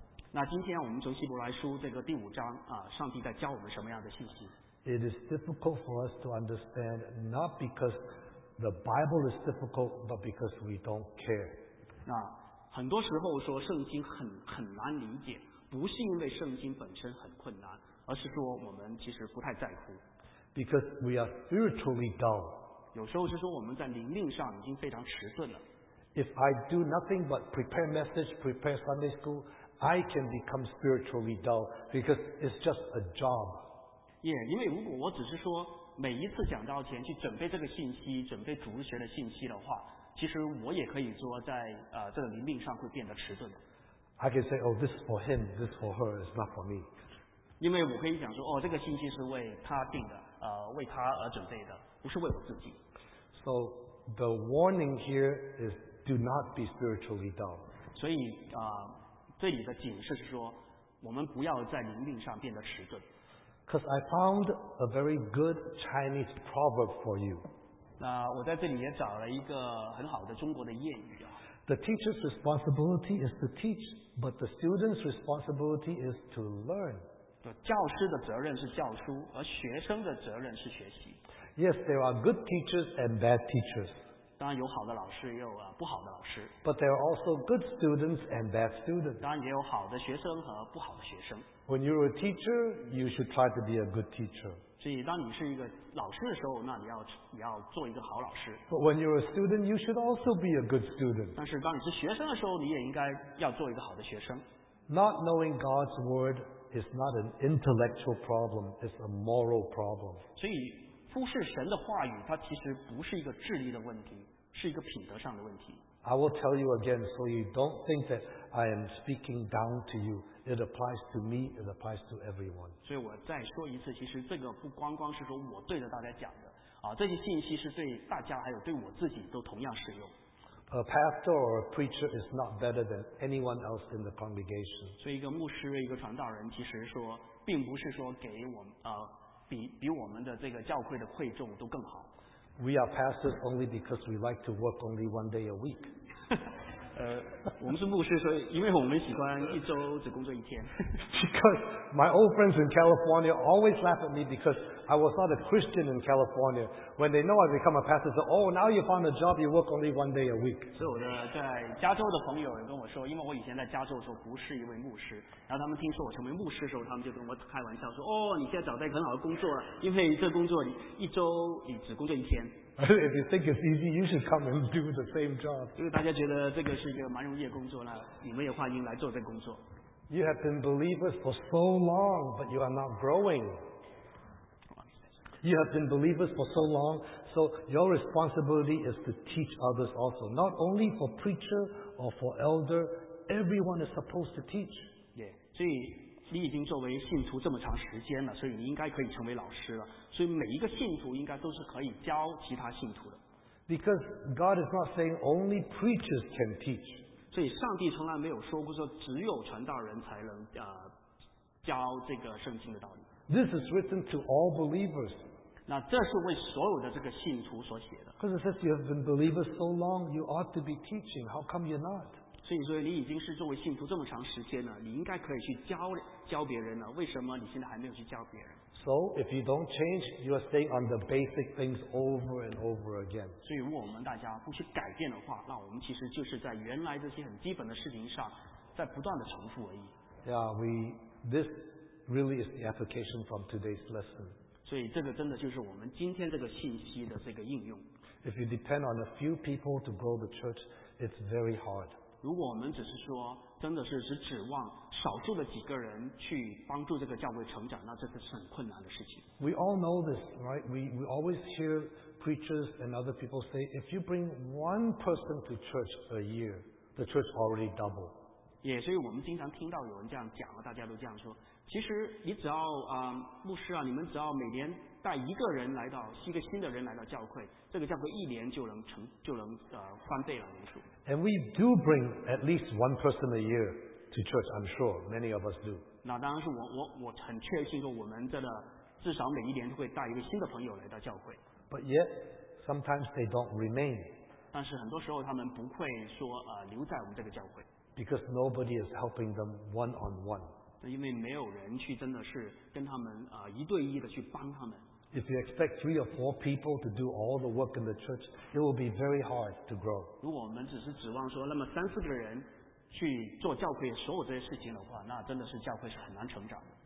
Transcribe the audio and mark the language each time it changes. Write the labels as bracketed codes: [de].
[zh] 那今天我们从希伯来书这个第五章上帝在教我们什么样的信息？ [en] It is difficult for us to understand not because the Bible is difficult, but because we don't care. [zh] 那很多时候说圣经很难理解，不是因为圣经本身很困难，而是说我们其实不太在乎。 [en] Because we are spiritually dull. [zh] 有时候是说我们在灵命上已经非常迟钝了。 [en] If I do nothing but prepare message, prepare Sunday school, I can become spiritually dull because it's just a job. [zh] Yeah, 因为如果我只是说每一次讲到前去准备这个信息，准备主日学的信息的话，其实我也可以说在这个灵命上会变得迟钝。 [en] I can say, oh, this is for him, this is for her, it's not for me. [zh] 因为我可以讲说，哦，这个信息是为他定的，为他而准备的，不是为我自己。 [en] So the warning here is do not be spiritually dull. [zh] 所以这里的警示是说，我们不要在灵命上变得迟钝。 [en] Because I found a very good Chinese proverb for you. [zh] 那我在这里也找了一个很好的中国的谚语。 [en] The teacher's responsibility is to teach, but the student's responsibility is to learn. [zh] 教师的责任是教书，而学生的责任是学习。 [en] Yes, there are good teachers and bad teachers. [zh] 当然有好的老师，也有不好的老师。 [en] But there are also good students and bad students. [zh] 当然也有好的学生和不好的学生。 [en] When you're a teacher, you should try to be a good teacher. [zh] 所以当你是一个老师的时候，那你要做一个好老师。 [en] But when you're a student, you should also be a good student. [zh] 但是当你是学生的时候，你也应该要做一个好的学生。 [en] Not knowing God's word is not an intellectual problem; it's a moral problem. [zh] 所以忽视神的话语，它其实不是一个智力的问题，是一个品德上的问题。 [en] I will tell you again, so you don't think that I am speaking down to you. It applies to me. It applies to everyone. [zh] 所以我再说一次，其实这个不光光是说我对着大家讲的，这些信息是对大家还有对我自己都同样适用。 [en] A pastor or a preacher is not better than anyone else in the congregation. [zh] 所以一个牧师、一个传道人，其实说并不是说给我们比我们的这个教会的会众都更好。 [en] We are pastors only because we like to work only one day a week. [zh] 我们是牧师，所以因为我们喜欢一周只工作一天。 [en] Because my old friends in California always laugh at me because I was not a Christian in California. When they know I become a pastor, they say, "Oh, now you found a job. You work only one day a week." [zh] 所以我的在加州的朋友也跟我说，因为我以前在加州的时候不是一位牧师，然后他们听说我成为牧师的时候，他们就跟我开玩笑说，哦，你现在找到很好的工作了，因为这工作你一周你只工作一天。 [en] If you think it's easy, you should come and do the same job. [zh] 因为大家觉得这个是一个蛮容易的工作了，你们也欢迎来做这个工作。 [en] You have been believers for so long, but you are not growing. You have been believers for so long, so your responsibility is to teach others also. Not only for preacher or for elder, everyone is supposed to teach. [zh] Yeah, 所以你已经作为信徒这么长时间了，所以你应该可以成为老师了。所以每一个信徒应该都是可以教其他信徒的。 [en] Because God is not saying only preachers can teach. [zh] 所以上帝从来没有说过说只有传道人才能教这个圣经的道理。 [en] This is written to all believers. [zh] 那这是为所有的这个信徒所写的。 [en] Because it says you have been believers so long, you ought to be teaching. How come you're not? [zh] 所以说你已经是作为信徒这么长时间了，你应该可以去教别人了。为什么你现在还没有去教别人？ [en] So if you don't change, you are staying on the basic things over and over again. [zh] 所以如果我们大家不去改变的话，那我们其实就是在原来这些很基本的事情上，在不断的重复而已。 [en] Yeah, this really is the application from today's lesson. [zh] 所以这个真的就是我们今天这个信息的这个应用。 [en] If you depend on a few people to grow the church, it's very hard. [zh] 如果我们只是说，真的是只指望少数的几个人去帮助这个教会成长，那这个是很困难的事情。 [en] We all know this, right? We always hear preachers and other people say, if you bring one person to church a year, the church already double. [zh] 也所以我们经常听到有人这样讲，大家都这样说。其实你只要牧师啊，你们只要每年带一个人来到，一个新的人来到教会，这个教会一年就能翻倍了人数。 [en] And we do bring at least one person a year to church, I'm sure. Many of us do. [zh] 那当然是我很确信说我们这个至少每一年会带一个新的朋友来到教会。 [en] But yet, sometimes they don't remain. [zh] 但是很多时候他们不会说留在我们这个教会。 [en] Because nobody is helping them one-on-one. [zh] 那因为没有人去真的是跟他们一对一的去帮他们。 [en] If you expect three or four people to do all the work in the church, it will be very hard to grow. [zh] 如果我们只是指望说那么三四个人去做教会所有这些事情的话，那真的是教会是很难成长的。